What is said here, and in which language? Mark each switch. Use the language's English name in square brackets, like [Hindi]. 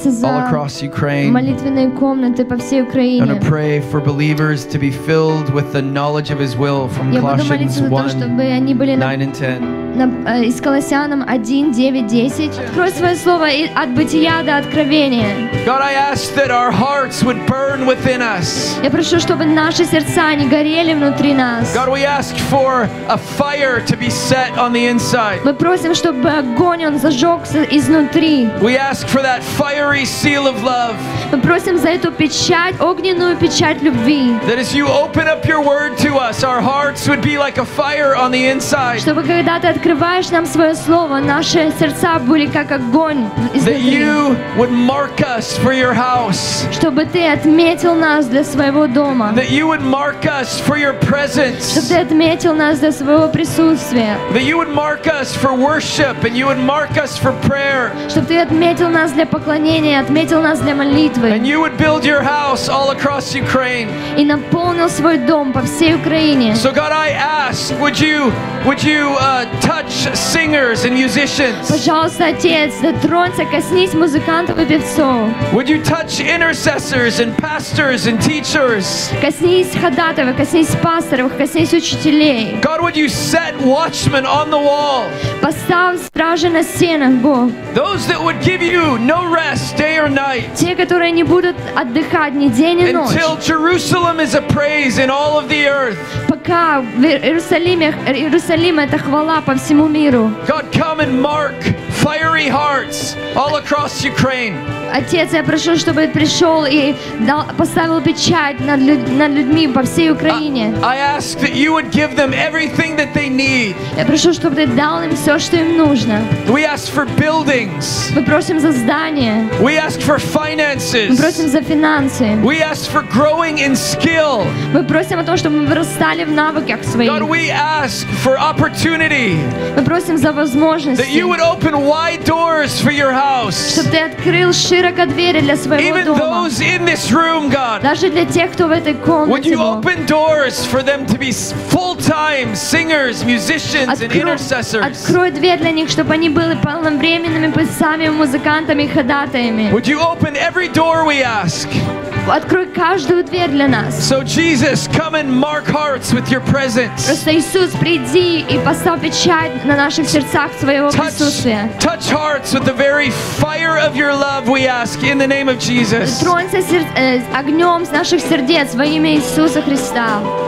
[Russian] Молитвенные комнаты по всей Украине. [English] And I pray for believers to be filled with the knowledge of His will from Colossians 1:9-10. [Russian] Открой свое слово от бытия до откровения. [English] God, I ask that our hearts would burn within us. [Russian] Я прошу, чтобы наши сердца не горели внутри нас. [English] God, we ask for a fire to be set on the inside. [Russian] Мы просим, чтобы огонь он зажегся изнутри. внутри. [English] We ask for that fiery seal of love. [Russian] Мы просим за эту печать, огненную печать любви. [English] That as you open up your word to us, our hearts would be like a fire on the inside. [Russian] Чтобы когда ты открываешь нам свое слово, наши сердца были как огонь изнутри. [English] That you would mark us for your house. [Russian] Чтобы ты отметил нас для своего дома. [English] That you would mark us for your presence. [Russian] Чтобы ты отметил нас для своего присутствия. [English] That you would mark us for worship and you would mark us for prayer. [Russian] Чтобы ты отметил нас для поклонения, отметил нас для молитвы. [English] And you would build your house all across Ukraine. [Russian] И наполнил свой дом по всей Украине. [English] So God, I ask, would you touch singers and musicians? [Russian] Пожалуйста, Отец, дотронься, коснись музыкантов и певцов. [English] Would you touch intercessors and pastors and teachers? [Russian] Коснись ходатаев, коснись пасторов, коснись учителей. [English] God, would you set watchmen on the wall? [Russian] Поставь стражи на стенах, Бог. [English] Those that would give you no rest day or night. [Russian] Те, которые не будут отдыхать ни день, ни ночь. [English] Until Jerusalem is a praise in all of the earth. [Russian] Пока в Иерусалиме, Иерусалим это хвала по всему миру. [English] God, come and mark fiery hearts all across Ukraine. [Russian] Отец, я прошу, чтобы пришел и поставил печать над людьми по всей Украине. [English] I ask that you would give them everything that they need. [Russian] Я прошу, чтобы ты дал им все, что им нужно. [English] We ask for buildings. [Russian] Мы просим за здания. [English] We ask for finances. [Russian] Мы просим за финансы. [English] We ask for growing in skill. [Russian] Мы просим о том, чтобы мы вырастали в навыках своих. [English] God, we ask for opportunity. [Russian] Мы просим за возможности. [English] That you would open wide doors for your house. [Russian] Чтобы ты открыл широко двери для своего [English] Even [Russian] дома. [English] Those in this room, God, [Russian] даже для тех, кто в этой комнате. [English] Would you open doors for them to be full-time singers, musicians, and intercessors? [Russian] Открой дверь для них, чтобы они были полновременными певцами, музыкантами, ходатаями. [English] Would you open every door we ask? [Russian] Открой каждую дверь для нас. [English] So Jesus, come and mark hearts with your presence. [Russian] Просто Иисус, приди и поставь печать на наших сердцах своего присутствия. [English] Touch hearts with the very fire of your love, we ask in the name of Jesus. [Russian] Тронься огнем с наших сердец во имя Иисуса Христа.